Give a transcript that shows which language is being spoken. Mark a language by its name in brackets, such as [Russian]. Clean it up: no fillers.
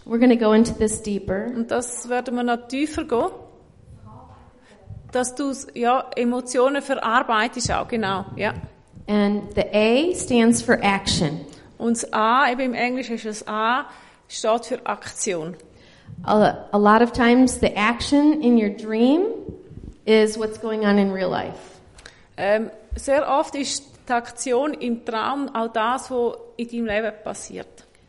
[English] We're going to go into this deeper. [German] Und das werden wir noch tiefer gehen. Dass du ja Emotionen verarbeitest auch, genau, ja. [English] And the A stands for action. [German] Und das A, eben im Englischen ist das A, steht für Aktion. [English] A lot of times the action in your dream is what's going on in real life. [German] Sehr oft ist die Aktion im Traum auch das, was in deinem Leben passiert.